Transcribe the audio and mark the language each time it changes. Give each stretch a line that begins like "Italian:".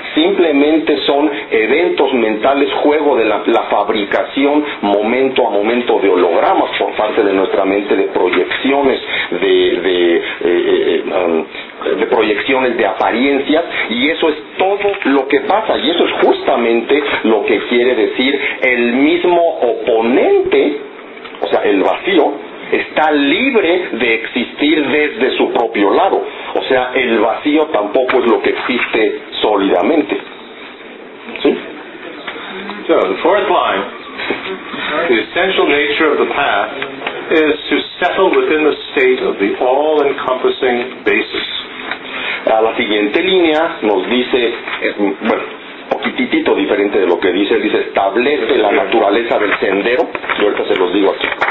Spanish: Simplemente son eventos mentales, juego de la fabricación momento a momento de hologramas por parte de nuestra mente, de proyecciones de proyecciones de apariencias, y eso es todo lo que pasa, y eso es justamente lo que quiere decir el mismo oponente, o sea, el vacío, está libre de existir desde su propio lado. O sea, el vacío tampoco es lo que existe sólidamente. ¿Sí?
English: So, the fourth line. The essential nature of the path is to settle within the state of the all-encompassing basis.
Spanish: la siguiente línea nos dice, bueno, poquitito diferente de lo que dice, dice establece la naturaleza del sendero. Yo ahorita se los digo aquí.